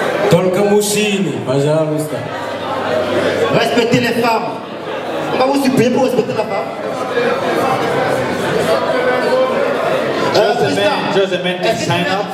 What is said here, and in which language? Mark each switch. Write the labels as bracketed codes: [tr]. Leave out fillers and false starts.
[ru] Только мужчины, пожалуйста. [fr] Respectez les femmes. On va vous supplier pour respecter la femme. [en] Just the men, just the men to sign up.